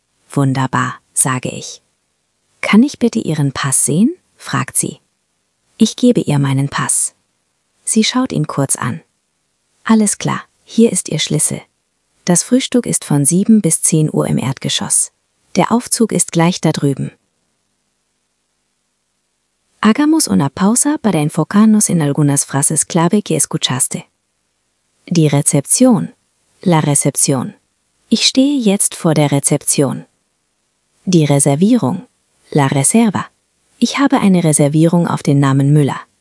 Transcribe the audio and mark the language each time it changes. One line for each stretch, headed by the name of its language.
German: Wunderbar, sage ich. Kann ich bitte Ihren Pass sehen? Fragt sie. Ich gebe ihr meinen Pass. Sie schaut ihn kurz an. Alles klar, hier ist Ihr Schlüssel. Das Frühstück ist von 7 bis 10 Uhr im Erdgeschoss. Der Aufzug ist gleich da drüben.
Spanish: Hagamos una pausa para enfocarnos en algunas frases clave que escuchaste.
German: Die Rezeption. La Rezeption. Ich stehe jetzt vor der Rezeption. Die Reservierung.
Spanish: La Reserva.
German: Ich habe eine Reservierung auf den Namen Müller.